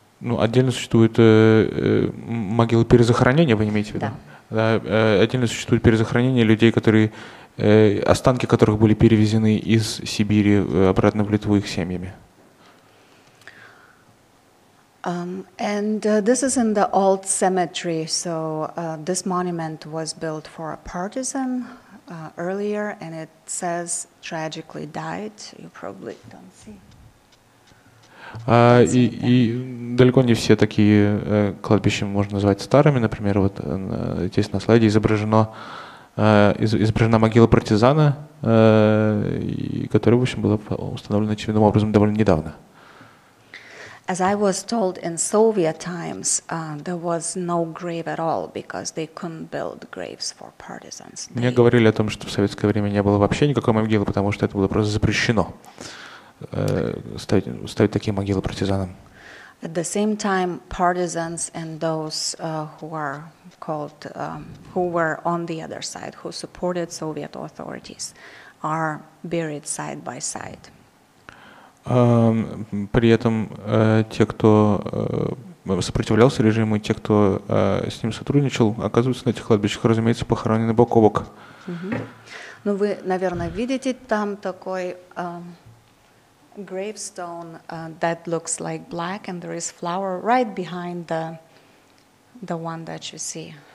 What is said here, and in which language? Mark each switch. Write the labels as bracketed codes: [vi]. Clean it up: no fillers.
[ru] Ну, отдельно существуют могилы перезахоронения, вы имеете в виду? Да. Отдельно существуют перезахоронения людей, которые останки которых были перевезены из Сибири обратно в Литву их семьями. [en] This is in the old cemetery, so this monument was built for a partisan earlier, and it says tragically died. You probably don't see. [ru] И далеко не все такие кладбища можно назвать старыми. Например, вот здесь на слайде изображена могила партизана, которая, в общем, была установлена очевидным образом довольно недавно. [en] As I was told in Soviet times, there was no grave at all, because they couldn't build graves for partisans. [ru] Мне говорили о том, что в советское время не было вообще никакой могилы, потому что это было просто запрещено ставить такие могилы партизанам. [en] At the same time, partisans and those who are called, who were on the other side, who supported Soviet authorities, are buried side by side. [ru] При этом те, кто сопротивлялся режиму, и те, кто с ним сотрудничал, оказываются на этих кладбищах, разумеется, похоронены бок о бок. Ну, вы, наверное, видите там такой... [en] gravestone that looks like black, and there is flower right behind the one that you see.